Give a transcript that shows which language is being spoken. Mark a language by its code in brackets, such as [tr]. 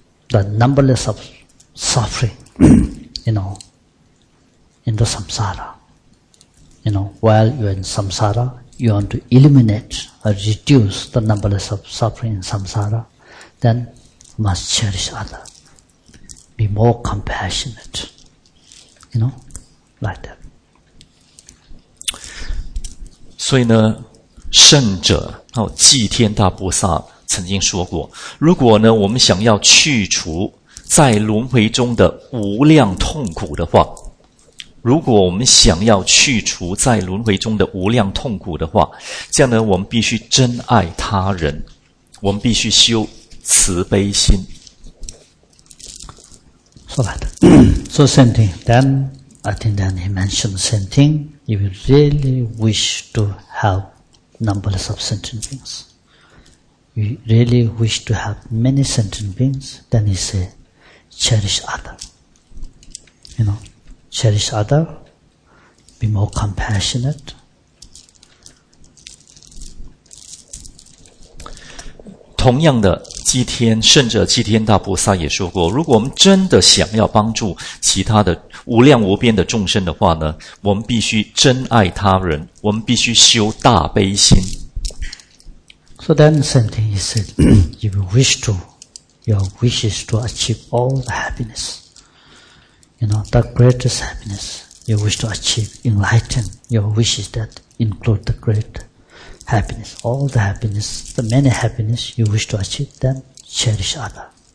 [en] the numberless of suffering, you know, into samsara, you know, while you're in samsara, you want to eliminate or reduce the numberless of suffering in samsara, then must cherish other, be more compassionate, you know, like that. [zh] 所以呢，圣者还有祭天大菩萨曾经说过，如果呢我们想要去除在轮回中的无量痛苦的话，如果我们想要去除在轮回中的无量痛苦的话，这样呢我们必须真爱他人，我们必须修慈悲心。 [en] So that, so same thing. Then I think then he mentioned the same thing. If you really wish to have numberless of sentient beings, you really wish to have many sentient beings, then he say, cherish other. You know, cherish other, be more compassionate. [zh] 同样的，祭天圣者祭天大菩萨也说过，如果我们真的想要帮助其他的无量无边的众生的话呢，我们必须真爱他人，我们必须修大悲心。 [en] So then the same thing he said, if you wish to, your wish is to achieve all the happiness, you know, the greatest happiness, you wish to achieve enlighten, your wish is that include the greatHappiness, all the happiness, the many happiness you wish to achieve, then cherish other.